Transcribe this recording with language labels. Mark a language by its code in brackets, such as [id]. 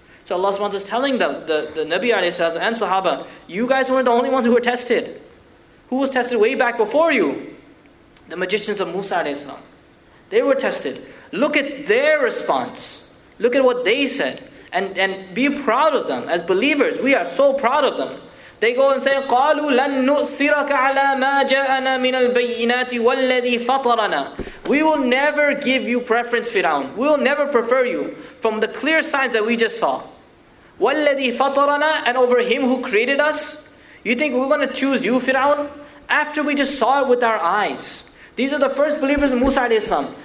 [en] So Allah subhanahu wa ta'ala is telling them, the Nabi alayhi wa sallam and Sahaba, you guys weren't the only ones who were tested. Who was tested way back before you? The magicians of Musa alayhi wa sallam. They were tested. Look at their response. Look at what they said. And be proud of them. As believers, we are so proud of them. They go and say, [ar] قَالُوا لَن نُؤْثِرَكَ عَلَى مَا جَاءَنَا مِنَ الْبَيِّنَاتِ وَالَّذِي فَطَرَنَا. [en] We will never give you preference, Fir'aun. We will never prefer you from the clear signs that we just saw. [ar] وَالَّذِي فَطَرَنَا. [en] And over him who created us. You think we're going to choose you, Fir'aun? After we just saw it with our eyes. These are the first believers in Musa alayhi salam.